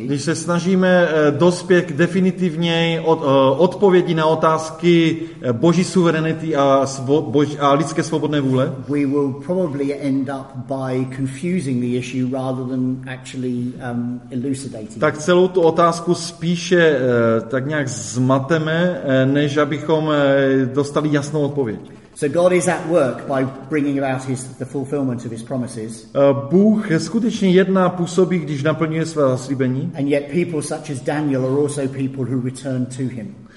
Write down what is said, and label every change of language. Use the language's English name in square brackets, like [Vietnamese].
[Czech] Když se snažíme dospět definitivně odpovědi na otázky Boží suverenity a lidské svobodné vůle. [English] We will probably end up by confusing the issue rather than actually elucidating. [Czech] Tak celou tu otázku spíše tak nějak zmateme, než abychom dostali jasnou odpověď. [English] So God is at work by bringing about the fulfillment of his promises. [Czech] Bůh skutečně jedná, působí, když naplňuje své zaslíbení. [English] And yet people such as Daniel are also people who return to him.